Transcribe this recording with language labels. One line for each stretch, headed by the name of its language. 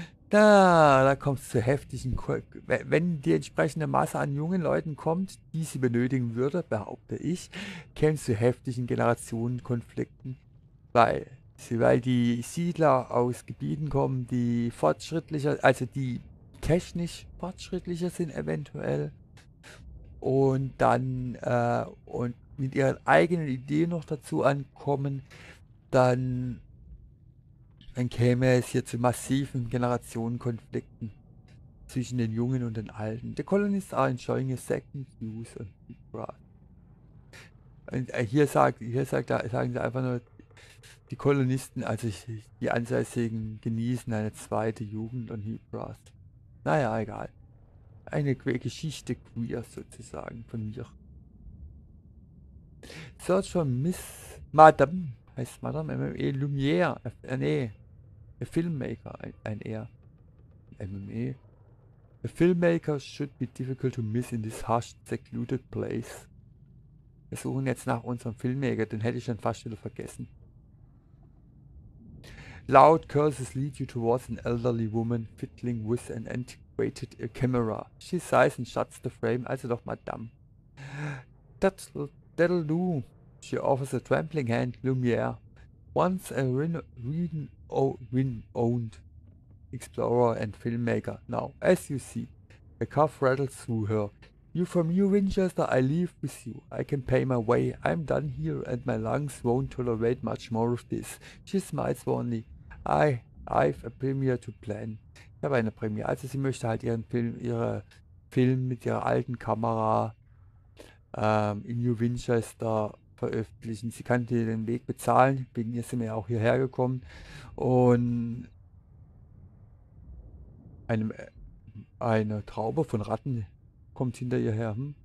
German: Da kommt es zu heftigen, wenn die entsprechende Masse an jungen Leuten kommt, die sie benötigen würde, behaupte ich, käme es zu heftigen Generationenkonflikten, weil die Siedler aus Gebieten kommen, die fortschrittlicher, also die technisch fortschrittlicher sind eventuell und dann und mit ihren eigenen Ideen noch dazu ankommen, dann käme es hier zu massiven Generationenkonflikten zwischen den Jungen und den Alten.
English: The colonists are enjoying a second use on the grass.
German: Und hier sagen sie einfach nur, die Kolonisten, also die Ansässigen, genießen eine zweite Jugend und Hybras. Naja, egal. Eine Geschichte queer sozusagen von mir.
English: Search for Miss Madame,
German: heißt Madame,
English: MME Lumière, a filmmaker,
German: ein R.
English: MME. A filmmaker should be difficult to miss in this harsh, secluded place.
German: Wir suchen jetzt nach unserem Filmmaker, den hätte ich schon fast wieder vergessen.
English: Loud curses lead you towards an elderly woman fiddling with an antiquated camera. She sighs and shuts the frame.
German: Also doch, Madame.
English: That'll do. She offers a trembling hand. Lumiere. Once a renowned explorer and filmmaker. Now, as you see, a cough rattles through her. You from New Winchester, I leave with you. I can pay my way. I'm done here and my lungs won't tolerate much more of this. She smiles warmly. I've a premiere to plan.
German: Ich habe eine Premiere. Also sie möchte halt ihren Film mit ihrer alten Kamera in New Winchester veröffentlichen. Sie kann dir den Weg bezahlen. Wegen ihr sind wir ja auch hierher gekommen. Und eine Traube von Ratten kommt hinter ihr her.